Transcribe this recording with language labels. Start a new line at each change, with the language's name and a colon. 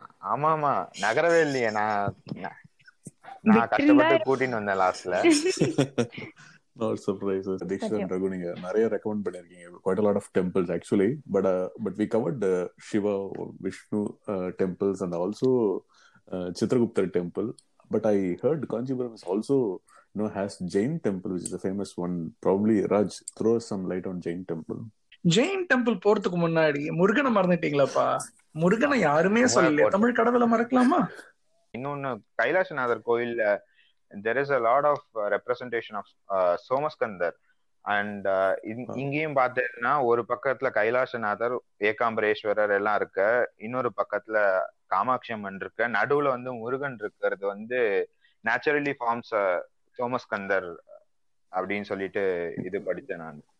Tamil: ஆமா ஆமா, நகரவே இல்லையே, நான் கஷ்டப்பட்டு கூட்டின்னு வந்தேன் லாஸ்ட்ல.
English: Not surprises. Diksha and Raghu, you have recommended many recommendations. Quite a lot of temples actually. But we covered Shiva or Vishnu temples and also Chitragupta temple. But I heard Kanchipuram is also has Jain temple, which is a famous one. Probably Raj, throw some light on Jain temple.
Tamil: Jain temple போறதுக்கு முன்னாடி முருகனை மறந்துட்டீங்களாப்பா? முருகனை யாருமே சொல்லல, தமிழ் கடவுளை மறக்கலாமா? இன்னொன்னு கைலாசநாதர் கோயில்ல
English: there is a lot of representation of Somaskandar,
Tamil: and இங்கேயும் பார்த்தேன்னா ஒரு பக்கத்துல கைலாசநாதர் ஏகாம்பரேஸ்வரர் எல்லாம் இருக்க, இன்னொரு பக்கத்துல காமாட்சி அம்மன் இருக்க, நடுவுல வந்து முருகன் இருக்கிறது வந்து நேச்சுரலி ஃபார்ம்ஸ் சோமஸ்கந்தர் அப்படின்னு சொல்லிட்டு இது படித்தேன் நான்.